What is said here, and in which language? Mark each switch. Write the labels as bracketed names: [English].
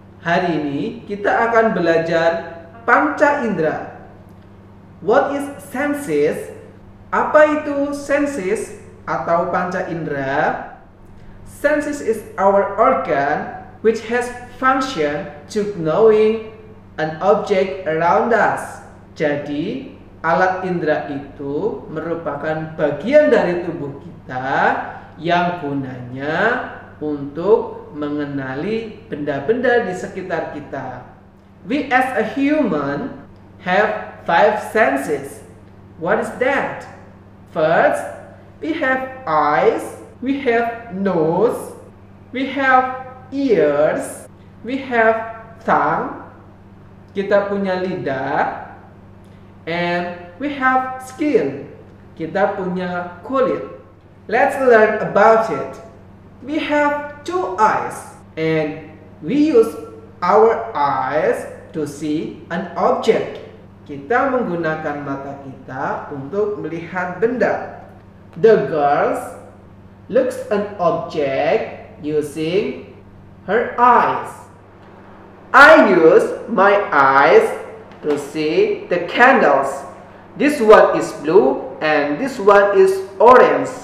[Indonesian] Hari ini kita akan belajar panca indera. [English] What is senses? [Indonesian] Apa itu senses atau panca indera? [English] Senses is our organ which has function to knowing an object around us. [Indonesian] Jadi, alat indera itu merupakan bagian dari tubuh kita yang gunanya untuk mengenali benda-benda di sekitar kita. [English] We as a human have 5 senses. What is that? First, we have eyes, we have nose, we have ears, we have tongue, [Indonesian] kita punya lidah, [English] and we have skin, [Indonesian] kita punya kulit. [English] Let's learn about it. We have 2 eyes, and we use our eyes to see an object. [Indonesian] Kita menggunakan mata kita untuk melihat benda. [English] The girls looks an object using her eyes. I use my eyes to see the candles. This one is blue and this one is orange.